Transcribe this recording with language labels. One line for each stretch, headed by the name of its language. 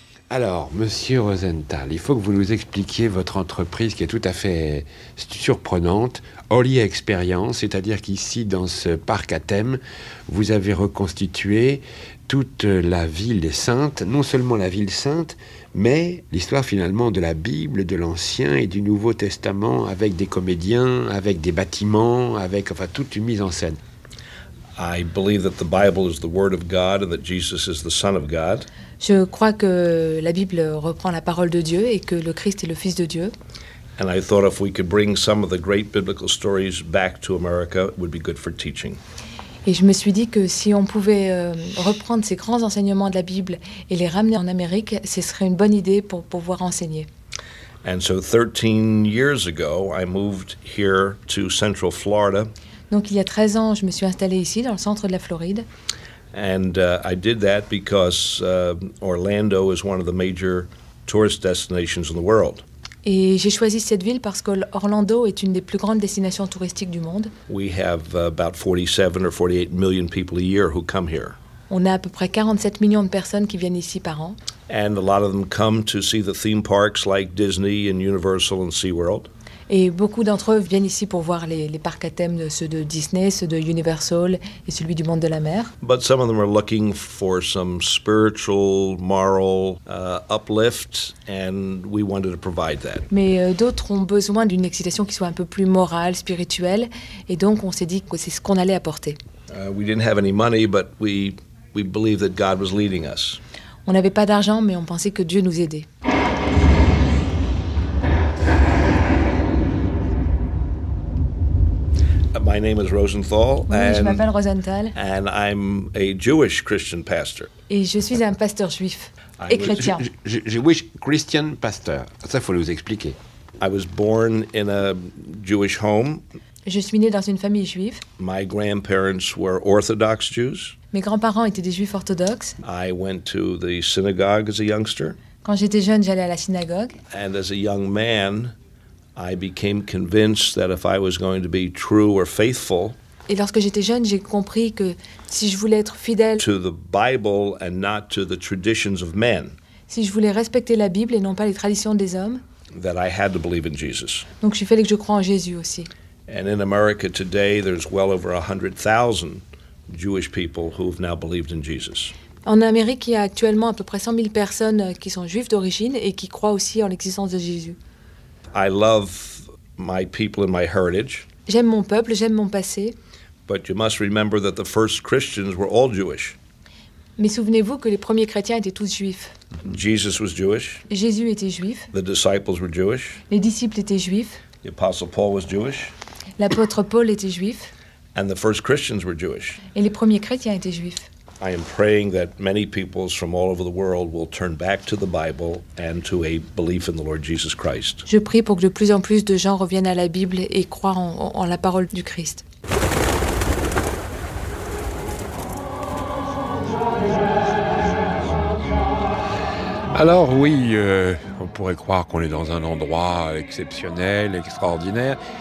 French: Alors, monsieur Rosenthal, il faut que vous nous expliquiez votre entreprise qui est tout à fait surprenante, Holy Experience, c'est-à-dire qu'ici dans ce parc à thème, vous avez reconstitué toute la ville sainte, non seulement la ville sainte, mais l'histoire finalement de la Bible, de l'Ancien et du Nouveau Testament, avec des comédiens, avec des bâtiments, avec enfin toute une mise en scène.
English: I believe that the Bible is the word of God and that Jesus is the Son of God.
French: Je crois que la Bible reprend la parole de Dieu et que le Christ est le Fils de Dieu.
English: And I thought if we could bring some of the great biblical stories back to America, it would be good for teaching.
French: Et je me suis dit que si on pouvait reprendre ces grands enseignements de la Bible et les ramener en Amérique, ce serait une bonne idée pour pouvoir enseigner.
English: And so 13 years ago, I moved here to Central Florida.
French: Donc il y a 13 ans, je me suis installé ici dans le centre de la Floride.
English: And I did that because Orlando is one of the major tourist destinations in the world.
French: Et j'ai choisi cette ville parce que Orlando est une des plus grandes destinations touristiques du monde.
English: We have about 47 or 48 million people a year who come here.
French: On a à peu près 47 millions de personnes qui viennent ici par an.
English: And a lot of them come to see the theme parks like Disney and Universal and SeaWorld.
French: Et beaucoup d'entre eux viennent ici pour voir les parcs à thème, ceux de Disney, ceux de Universal et celui du monde de la mer.
English: But some of them are looking for some spiritual, moral uplift, and we wanted to provide that.
French: Mais d'autres ont besoin d'une excitation qui soit un peu plus morale, spirituelle, et donc on s'est dit que c'est ce qu'on allait apporter.
English: We didn't have any money, but we believed that God was leading us.
French: On n'avait pas d'argent, mais on pensait que Dieu nous aidait.
English: My name is Rosenthal,
French: oui, je m'appelle Rosenthal,
English: and I'm a Jewish Christian pastor.
French: Et je suis un pasteur juif et chrétien.
English: Jewish Christian pastor,
French: ça faut nous expliquer.
English: I was born in a Jewish home.
French: Je suis né dans une famille juive.
English: My grandparents were Orthodox Jews.
French: Mes grands-parents étaient des juifs orthodoxes.
English: I went to the synagogue as a youngster.
French: Quand j'étais jeune, j'allais à la synagogue.
English: And as a young man, I became convinced that if I was going to be true or faithful,
French: et lorsque j'étais jeune, j'ai compris que si je voulais être fidèle
English: to the Bible and not to the traditions of men,
French: si je voulais respecter la Bible et non pas les traditions des hommes,
English: that I had to believe in Jesus.
French: Donc il fallait que je croie en Jésus aussi.
English: And in America today, there's well over 100,000 Jewish people who have now believed in Jesus.
French: En Amérique, il y a actuellement à peu près 100 000 personnes qui sont juives d'origine et qui croient aussi en l'existence de Jésus.
English: I love my people and my heritage.
French: J'aime mon peuple, j'aime mon passé.
English: But you must remember that the first Christians were all Jewish.
French: Mais souvenez-vous que les premiers chrétiens étaient tous juifs.
English: Jesus was Jewish.
French: Jésus était juif.
English: The disciples were Jewish.
French: Les disciples étaient juifs.
English: The apostle Paul was Jewish.
French: L'apôtre Paul était juif.
English: And the first Christians were Jewish.
French: Et les premiers chrétiens étaient juifs.
English: I am praying that many peoples from all over the world will turn back to the Bible and to a belief in the Lord Jesus Christ.
French: Je prie pour que de plus en plus de gens reviennent à la Bible et croient en la parole du Christ. Alors oui, on pourrait croire qu'on est dans un endroit exceptionnel, extraordinaire.